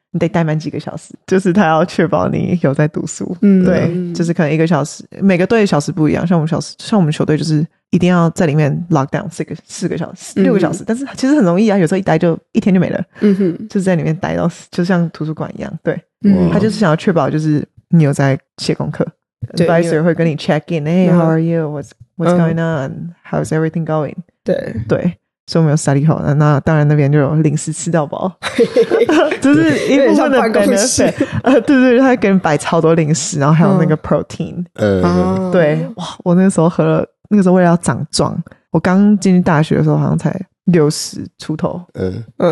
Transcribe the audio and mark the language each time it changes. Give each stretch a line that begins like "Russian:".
Chinese: 你得待满几个小时，就是他要确保你有在读书。嗯，对，就是可能一个小时，每个队的小时不一样。像我们小时，像我们球队就是一定要在里面
English: lock down
Chinese: 四个小时、嗯、六个小时，但是其实很容易啊，有时候一待就一天就没了。嗯哼，就是在里面待到就像图书馆一样。对，嗯、他就是想要确保就是你有在写功课。
English: Advisor
Chinese: 会跟你
English: check in， Hey， how are you？ What's going on？、嗯、How's everything going？
Chinese: 对对。所以我们有 study hall， 那当然那边就有零食吃到饱，就是一部分的 benefit， 对对，他给你摆超多零食，然后还有那个 protein， 嗯，对，哇，我那个时候喝了，那个时候为了要长壮，我刚进去大学的时候好像才60出头，嗯，